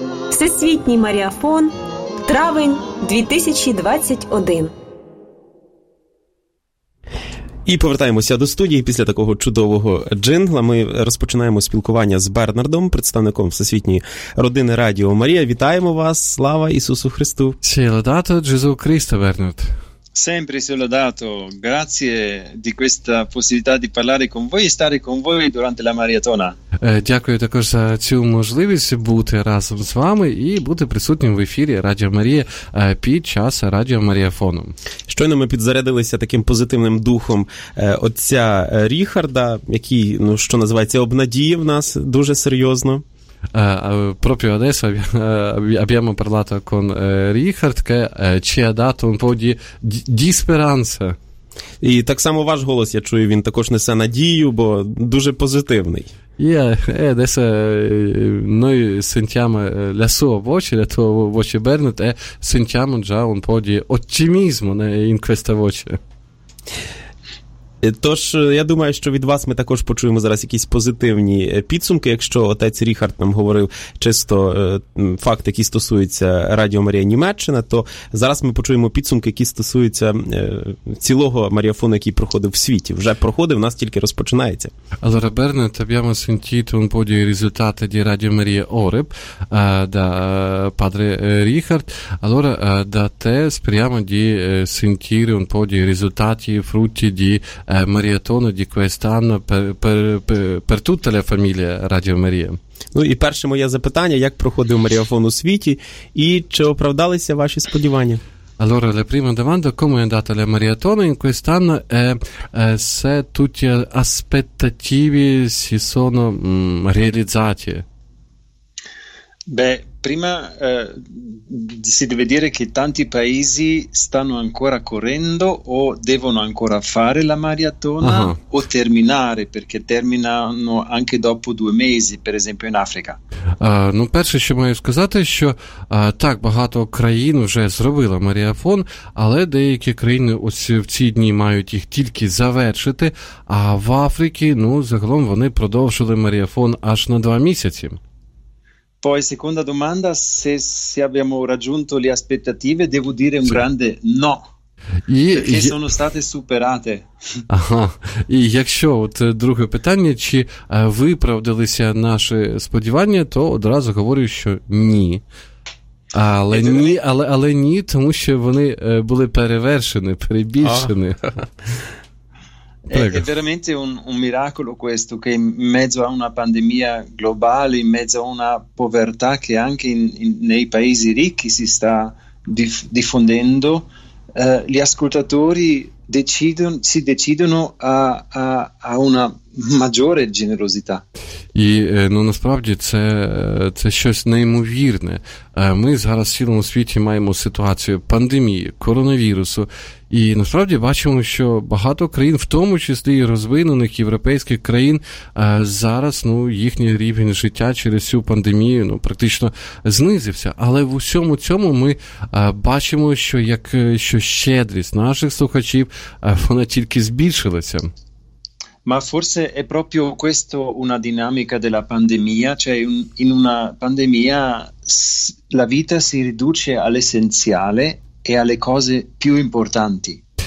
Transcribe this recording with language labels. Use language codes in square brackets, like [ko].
[uk] Всесвітній Маріафон. Травень 2021. І повертаємося до студії після такого чудового джингла. Ми розпочинаємо спілкування з Бернардом, представником Всесвітньої родини Радіо Марія. Вітаємо вас, слава Ісусу Христу. [it] Селодато Джезу Христу, Бернард. Sempre selodato, grazie di questa possibilità di parlare con voi e stare con voi durante la maratona. [uk] Дякую також за цю можливість бути разом з вами і бути присутнім в ефірі Радіо Марія під час Радіо Маріафону. Щойно ми підзарядилися таким позитивним духом отця Ріхарда, який, ну що називається, обнадіяв нас дуже серйозно. [it] Proprio adesso abbiamo parlato con Richard che ci ha dato un po' di speranza. [uk] І так само ваш голос, я чую, він також несе надію, бо дуже позитивний. [it] Yeah, adesso noi sentiamo la sua voce, la tua voce Bernard, e sentiamo già un po' di ottimismo in questa voce. [uk] Тож, я думаю, що від вас ми також почуємо зараз якісь позитивні підсумки, якщо отець Ріхард нам говорив чисто факт, який стосується Радіо Марія Німеччина, то зараз ми почуємо підсумки, які стосуються цілого Маріафону, який проходив в світі. Вже проходив, у нас тільки розпочинається. [it] Allora, Bernard, abbiamo sentito un po' di risultati di Radio Maria Oreb da padre Richard. Allora, da te speriamo di sentire un po' di risultati, frutti di Маріатону di quest'anno per tutte le famiglie Radio Maria. [uk] Ну і перше моє запитання, як проходив Маріафон у світі і чи оправдалися ваші сподівання? [it] Allora, la prima domanda, come è andata la Maratona in quest'anno e se tutti gli aspettativi si sono realizzati? Beh, prima si deve dire che tanti paesi stanno ancora correndo o devono ancora fare la maratona o terminare, perché terminano anche dopo due mesi, per esempio in Africa. [uk] Ну, перше, що маю сказати, що так, багато країн вже зробила маріафон, але деякі країни ось в ці дні мають їх тільки завершити, а в Африці, ну, загалом вони продовжили маріафон аж на два місяці. [it] Poi, seconda domanda, se abbiamo raggiunto le aspettative, devo dire un grande no, perché sono state superate. [uk] Ага. І якщо, от друге питання, чи виправдалися наші сподівання, то одразу говорю, що ні. Але ні, але ні, тому що вони були перевершені, перебільшені. [it] È veramente un miracolo questo, che in mezzo a una pandemia globale, in mezzo a una povertà che anche nei paesi ricchi si sta diffondendo, gli ascoltatori si decidono a una maggiore generosità. [uk] Ну, насправді це щось неймовірне. Ми зараз в цілому світі маємо ситуацію пандемії, коронавірусу, і насправді бачимо, що багато країн, в тому числі і розвинених європейських країн, зараз, ну, їхній рівень життя через цю пандемію, ну, практично знизився. Але в усьому цьому ми бачимо, що щедрість наших слухачів, вона тільки збільшилася. [it] Ma forse è proprio questo una dinamica della pandemia, cioè in una pandemia la vita si riduce all'essenziale e alle cose più importanti.